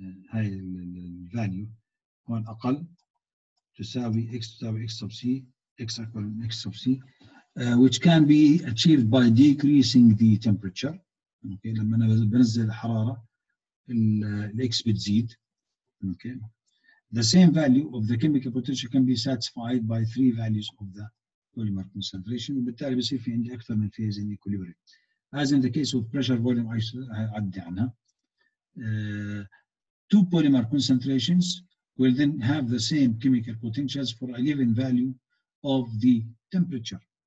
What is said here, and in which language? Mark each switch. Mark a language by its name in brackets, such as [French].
[Arabic] هاي الفاليو هون أقل تساوي x تساوي x sub c, x أكبر من x sub c, [English] which can be achieved by decreasing the temperature. Okay. [Arabic] لما أنا بنزل الحرارة الـ x بتزيد. [English] Okay. The same value of the chemical potential can be satisfied by three values of the polymer concentration. [Arabic] وبالتالي بصير في عندي أكثر من [English] phase in equilibrium. As in the case of pressure volume, [Arabic] عدي عنها. [English] Two polymer concentrations will then have the same chemical potentials for a given value of the temperature.